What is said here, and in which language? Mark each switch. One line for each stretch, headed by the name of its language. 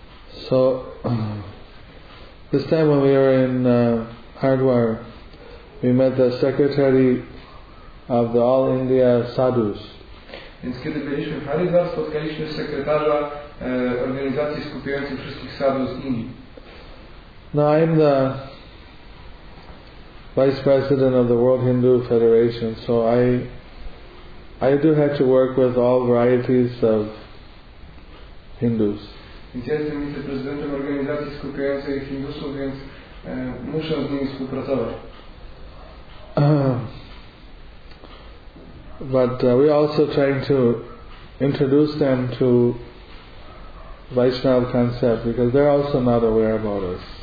English: So this time when we are in Hardware, we met the secretary of the All India Sadhus.
Polish: Więc kiedy byliśmy w Haridwar, spotkaliśmy sekretarza organizacji skupiającej wszystkich sadhus Indii.
English: Now I'm the vice president of the World Hindu Federation, so I do have to work with all varieties of Hindus.
Polish: Więc ja jestem wiceprezydentem organizacji skupiającej Hindusów, więc muszę z nimi współpracować.
English: But we are also trying to introduce them to Vaishnava concept because they're also not aware about us.